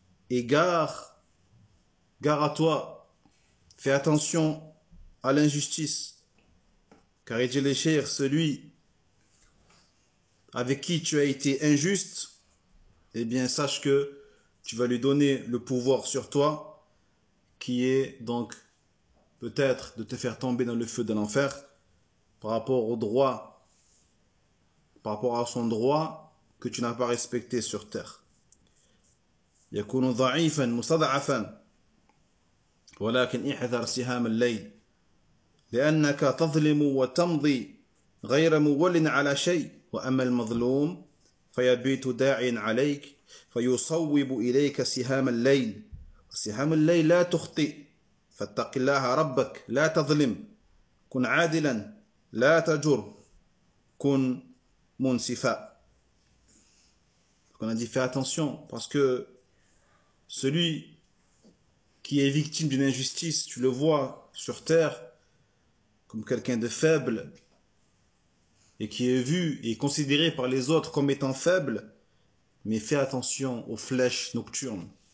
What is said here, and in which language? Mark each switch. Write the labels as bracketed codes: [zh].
[fr] Et gare à toi, fais attention à l'injustice, car il dit les chers, celui avec qui tu as été injuste, eh bien sache que tu vas lui donner le pouvoir sur toi, qui est donc peut-être de te faire tomber dans le feu de l'enfer par rapport au droit, par rapport à son droit que tu n'as pas respecté sur terre. [ar] يكون ضعيفا مستضعفا ولكن احذر سهام الليل لأنك تظلم وتمضي غير مول على شيء وأما المظلوم فيبيت داع عليك فيصوب إليك سهام الليل وسهام الليل لا تخطئ فاتق الله ربك لا تظلم كن عادلا لا تجر كن منصفا. [fr] On a dit fais attention parce que celui qui est victime d'une injustice, tu le vois sur terre comme quelqu'un de faible, et qui est vu et considéré par les autres comme étant faible, mais fais attention aux flèches nocturnes.